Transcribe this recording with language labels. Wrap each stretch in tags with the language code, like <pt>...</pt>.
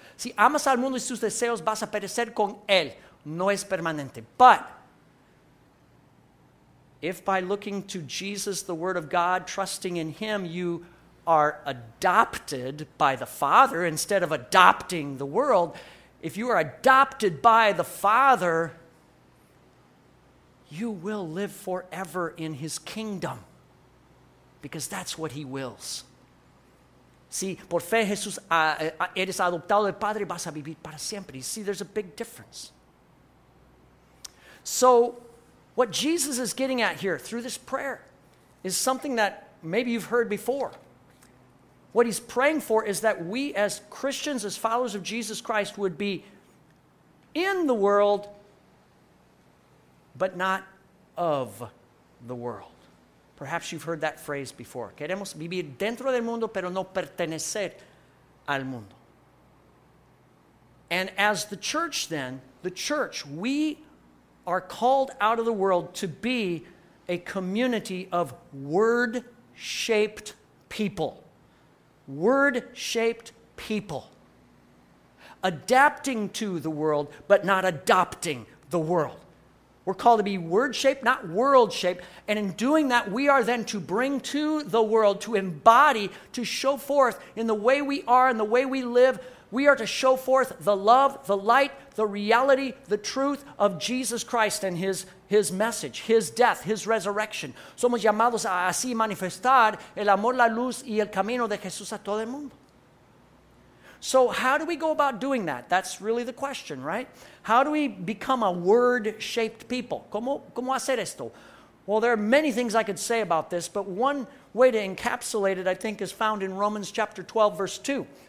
<es>Si amas al mundo y sus deseos, vas a perecer con él. No es permanente.</es> <en>But if by looking to Jesus, the Word of God, trusting in him, you are adopted by the Father instead of adopting the world, if you are adopted by the Father, you will live forever in his kingdom because that's what he wills.</en> <es>Si por fe Jesús eres adoptado del Padre, vas a vivir para siempre.</es> <en>See, there's a big difference. So what Jesus is getting at here through this prayer is something that maybe you've heard before. What he's praying for is that we as Christians, as followers of Jesus Christ, would be in the world but not of the world. Perhaps you've heard that phrase before.</en> <es>Queremos vivir dentro del mundo, pero no pertenecer al mundo.</es> <en>And as the church then, the church, we are called out of the world to be a community of word-shaped people. Word-shaped people. adapting to the world, but not adopting the world. We're called to be word-shaped, not world-shaped. And in doing that, we are then to bring to the world, to embody, to show forth in the way we are and the way we live, we are to show forth the love, the light, the reality, the truth of Jesus Christ and his message, his death, his resurrection.</en> <es>Somos llamados a así manifestar el amor, la luz y el camino de Jesús a todo el mundo.</es> <en>So how do we go about doing that? That's really the question, right? How do we become a word-shaped people?</en> <es>¿Cómo hacer esto?</es> <en>Well, there are many things I could say about this, but one way to encapsulate it, I think, is found in Romans chapter 12, verse 2.</en>